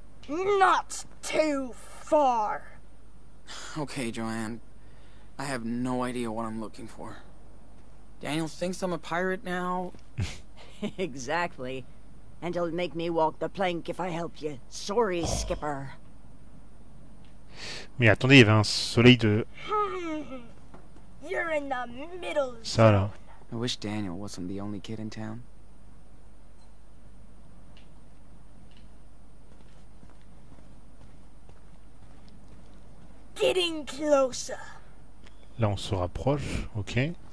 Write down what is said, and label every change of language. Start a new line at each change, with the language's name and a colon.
English: Not too far. Okay, Joanne. I have no idea what I'm looking for. Daniel thinks I'm a pirate now. Exactly. And he'll make me walk the plank if I help you. Sorry, skipper.
French: Mais attendez, il y avait un soleil de...
English: You're in the middle.
French: Ça, là.
English: I wish Daniel wasn't the only kid in town. Getting closer.
French: Là, on se rapproche, ok.